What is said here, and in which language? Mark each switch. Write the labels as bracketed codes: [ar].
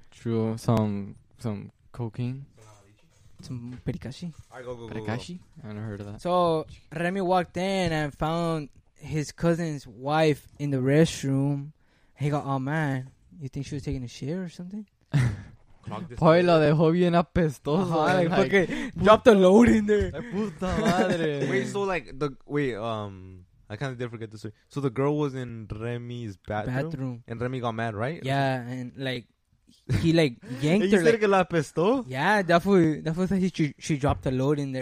[en] true. Some cocaine. Some pericashi. Pericashi? I never heard of that. So Remy walked in and found his cousin's wife in the restroom. He got, oh man, you think she was taking a shit or something? Boy, [es] lo dejó bien apestoso. [en] Like, drop the load in there. [es] Puta madre. [en] I kind of did forget the story. So the girl was in Remy's bathroom. And Remy got mad, right? Yeah, and like, he like yanked her. You said [es] que la apestó? [en] Yeah, that's what she dropped a load in there.